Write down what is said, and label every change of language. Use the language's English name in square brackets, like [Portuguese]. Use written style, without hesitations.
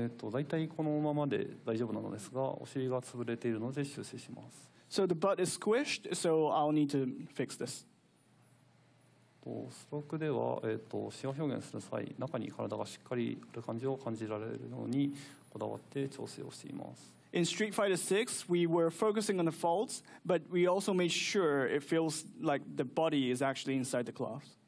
[Japanese] 大体このままで大丈夫なのですが、お尻が潰れているので修正します。 [English] So the butt is squished, so I'll need to fix this. [Japanese] ストロークでは、シワ表現する際、中に体がしっかりある感じを感じられるようにこだわって調整をしています。 [English] In Street Fighter 6, we were focusing on the folds, but we also made sure it feels like the body is actually inside the cloth.